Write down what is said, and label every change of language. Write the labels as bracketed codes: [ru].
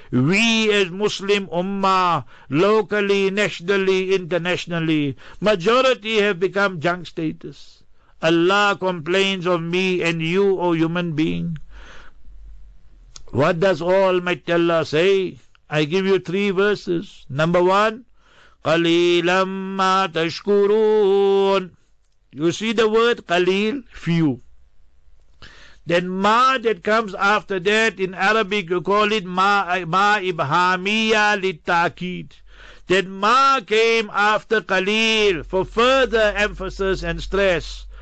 [en] We as Muslim Ummah, locally, nationally, internationally, majority have become junk status. Allah complains of me and you, O human being. What does Almighty Allah say? I give you 3 verses. Number 1, [ar] قَلِيلًا مَا تَشْكُرُونَ. [en] You see the word قَلِيل, few. Then ma that comes after that, in Arabic you call it ma ibhamiya litakid. That ma came after qalil for further emphasis and stress.